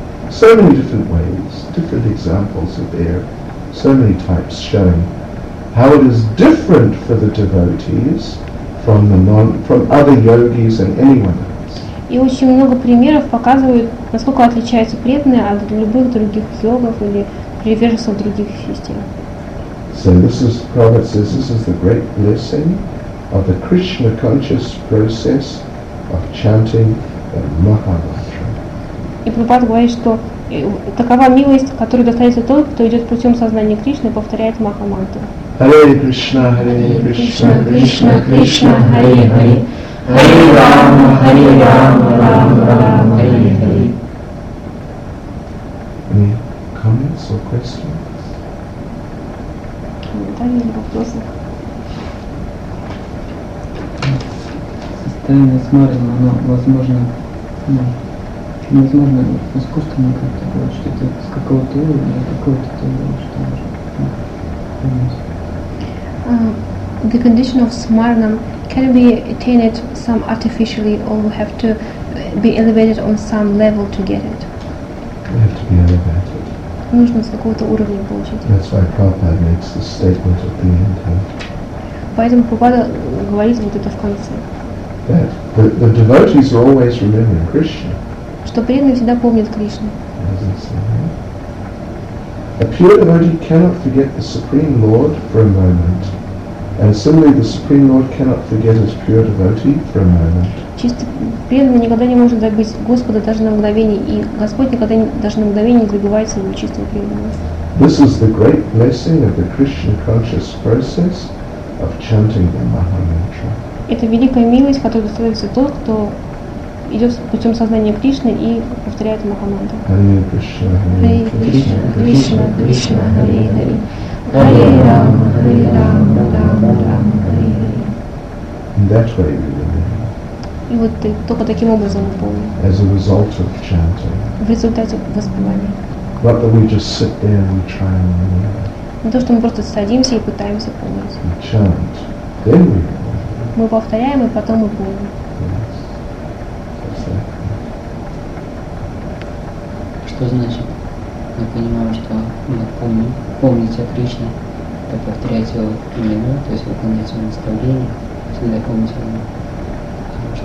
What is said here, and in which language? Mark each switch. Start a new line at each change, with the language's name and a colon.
English: So many different ways, different examples are there, so many types showing how it is different for the devotees from the non, from other yogis and anyone else.
Russian: И очень много примеров показывают, насколько отличаются преданные от любых других йогов или приверженцев других систем.
English: So this is, Prabhupada says, this is the great blessing of the Krishna conscious process of chanting the Mahamantra.
Russian: И Прабхупада говорит, что такова милость, которая достается тот, кто идет путем сознания Кришны и повторяет Маха-мантру.
Sanskrit: Харе Кришна, Харе Кришна, Кришна Кришна, Харе Харе, Харе Рама, Харе Рама, Рама Рама, Харе Харе.
English: Any comments or questions?
Russian: Комментарии или вопросы? Состояние смарина, оно возможно... Невозможно искусственно как-то говорить, что это с какого-то уровня, с какого-то уровня, что уже понимаете.
English: The condition of smarana can be attained some artificially or have to be elevated on some level to get it. We have to be elevated.
Russian: Нужно с какого-то уровня получить.
English: That's why Prabhupada makes the statement at the end here.
Russian: Поэтому Прабхупада говорит вот это в конце.
English: That the devotees are always remembering Krishna.
Russian: Что преданный всегда помнит Кришну.
English: A pure devotee cannot forget the Supreme Lord for a moment. And similarly, the Supreme Lord cannot forget his pure devotee for a moment.
Russian: Чистый преданный никогда не может забыть Господа даже на мгновение, и Господь никогда даже на мгновение не забывает своего чистого преданного.
English: This is the great blessing of the Krishna conscious process of chanting the Mahamantra.
Russian: Это великая милость, которую достается тот, кто идет путем сознания Кришны и повторяет Махамантру.
Sanskrit: Харе Кришна, Кришна, Кришна, Харе Харе. Харе Рама, Харе Рама, Рама Рама, Харе Харе.
Russian: И вот ты только таким образом помни.
English: As a result of chanting.
Russian: В результате воспевания.
English: Not that we just sit there and we try and remember.
Russian: Не то, что мы просто садимся и пытаемся помнить.
English: We chant, then we.
Russian: Мы повторяем и потом мы помним. Что значит, мы понимаем, что мы помним, помнить о Кришне, то повторять его имена, то есть выполнять его наставления, всегда помнить его.